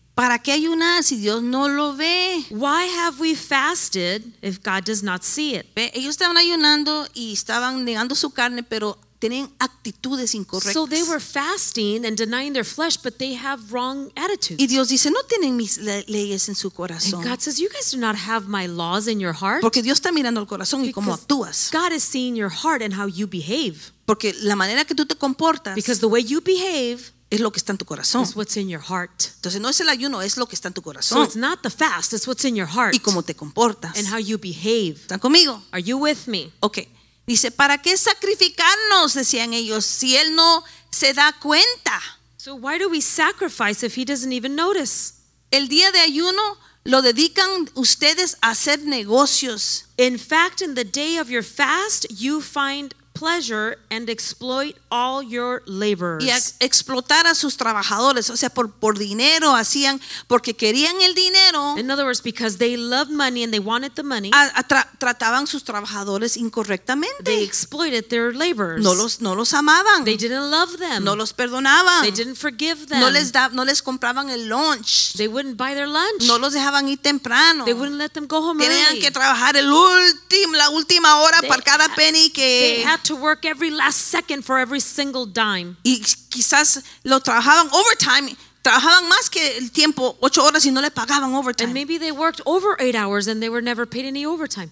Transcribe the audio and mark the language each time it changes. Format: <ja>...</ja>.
<es>¿Para qué ayunar si Dios no lo ve?</es> <en>Why have we fasted if God does not see it?</en> <es>Ellos estaban ayunando y estaban negando su carne, pero tienen actitudes incorrectas.</es> <en>So they were fasting and denying their flesh, but they have wrong attitudes.</en> <es>Y Dios dice, no tienen mis leyes en su corazón.</es> <en>And God says, you guys do not have my laws in your heart.</en> <es>Porque Dios está mirando el corazón y cómo actúas.</es> <en>God is seeing your heart and how you behave.</en> <es>Porque la manera que tú te comportas.</es> <en>Because the way you behave.</en> <es>Es lo que está en tu corazón.</es> <en>It's what's in your heart.</en> <es>Entonces no es el ayuno, es lo que está en tu corazón.</es> <en>So it's not the fast, it's what's in your heart.</en> <es>Y cómo te comportas.</es> <en>And how you behave.</en> <es>¿Están conmigo?</es> <en>Are you with me?</en> <es>Okay. Dice, ¿para qué sacrificarnos? Decían ellos, si él no se da cuenta.</es> <en>So why do we sacrifice if he doesn't even notice?</en> <es>El día de ayuno lo dedican ustedes a hacer negocios.</es> <en>In fact, in the day of your fast, you find pleasure and exploit all your laborers.</en> <es>Y a explotar a sus trabajadores, o sea, por dinero hacían, porque querían el dinero.</es> <en>In other words, because they loved money and they wanted the money.</en> <es>Trataban sus trabajadores incorrectamente.</es> <en>They exploited their laborers.</en> <es>No los amaban.</es> <en>They didn't love them.</en> <es>No los perdonaban.</es> <en>They didn't forgive them.</en> <es>No les compraban el lunch.</es> <en>They wouldn't buy their lunch.</en> <es>No los dejaban ir temprano.</es> <en>They wouldn't let them go home</en> <es>tenían</es> <en>early.</en> <es>Tenían que trabajar la última hora para cada penny que</es> <en>had to work every last second for every single dime.</en> <es>Y quizás lo trabajaban overtime, trabajaban más que el tiempo, 8 horas y no le pagaban overtime.</es> <en>And maybe they worked over 8 hours and they were never paid any overtime.</en>